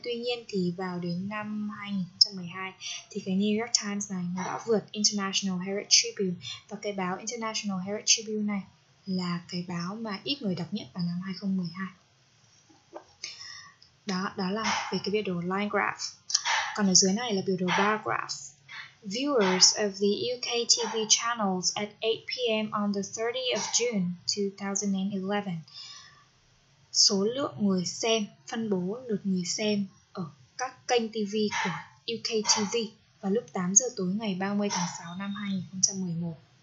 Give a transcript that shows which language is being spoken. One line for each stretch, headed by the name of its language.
Vietnamese: Tuy nhiên thì vào đến năm 2012 thì cái New York Times này nó đã vượt International Herald Tribune. Và cái báo International Herald Tribune này là cái báo mà ít người đọc nhất vào năm 2012. Đó là về cái biểu đồ line graph. Còn ở dưới này là biểu đồ bar graph.
English: Viewers of the UK TV channels at 8 p.m. on the 30th of June 2011.
Vietnamese: Số lượng người xem, phân bố lượt người xem ở các kênh TV của UK TV vào lúc 8 giờ tối ngày 30 tháng 6 năm 2011.